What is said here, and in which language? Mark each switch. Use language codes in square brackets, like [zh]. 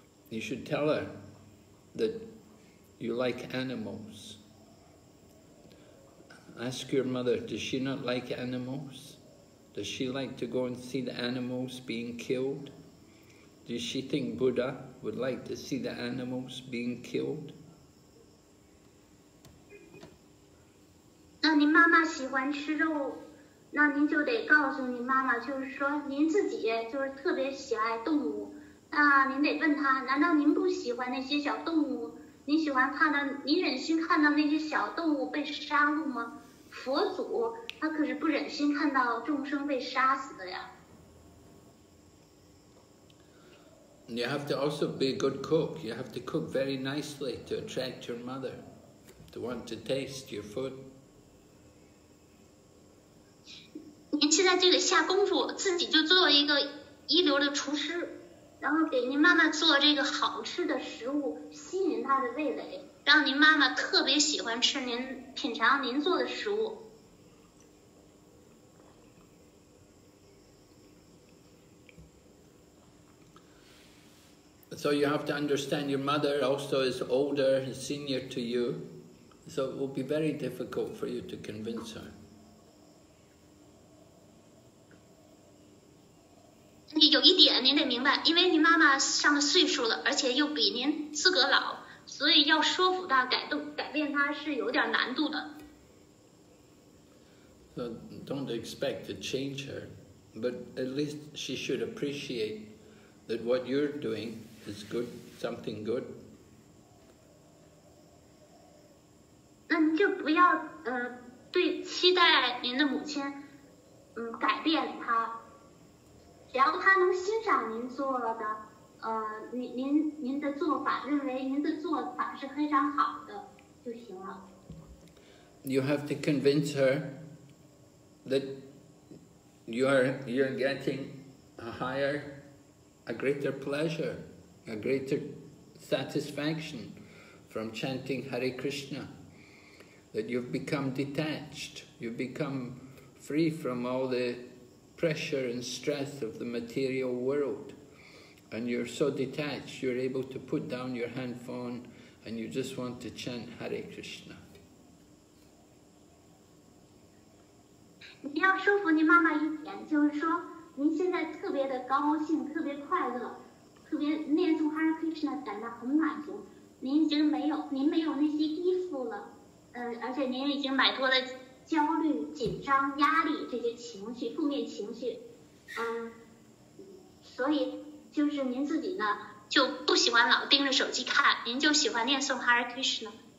[en] You should tell her that you like animals. Ask your mother, does she not like animals? Does she like to go and see the animals being killed? Does she think Buddha would like to see the animals being killed? [zh] 那您妈妈喜欢吃肉，那您就得告诉您妈妈，就是说您自己就是特别喜爱动物，那您得问她，难道您不喜欢那些小动物？您喜欢看到，您忍心看到那些小动物被杀戮吗？佛祖他可是不忍心看到众生被杀死的呀。 [en] You have to also be a good cook. You have to cook very nicely to attract your mother to want to taste your food. [zh] 您现在就得下功夫，自己就做一个一流的厨师，然后给您妈妈做这个好吃的食物，吸引她的味蕾，让您妈妈特别喜欢吃您，品尝您做的食物。 [en] So you have to understand your mother also is older and senior to you, so it will be very difficult for you to convince her. [zh] 有一点您得明白，因为您妈妈上了岁数了，而且又比您资格老，所以要说服她改动改变她是有点难度的。 [en] So, don't expect to change her, but at least she should appreciate that what you're doing is good, something good. [zh] 那您就不要对期待您的母亲改变她。只要他能欣赏您做了的，您的做法，认为您的做法是非常好的就行了。 [en] You have to convince her that you're getting a higher, a greater pleasure, a greater satisfaction from chanting Hare Krishna. That you've become detached, you've become free from all the pressure and stress of the material world, and you're so detached, you're able to put down your handphone and you just want to chant Hare Krishna. [zh] 你要说服你妈妈一点，就是说您现在特别的高兴，特别快乐，特别念诵 Hare Krishna 感到很满足，您已经没有那些依附了，而且您已经摆脱了焦虑、紧张、压力这些情绪，负面情绪，所以就是您自己呢，就不喜欢老盯着手机看，您就喜欢念诵 Hare Krishna。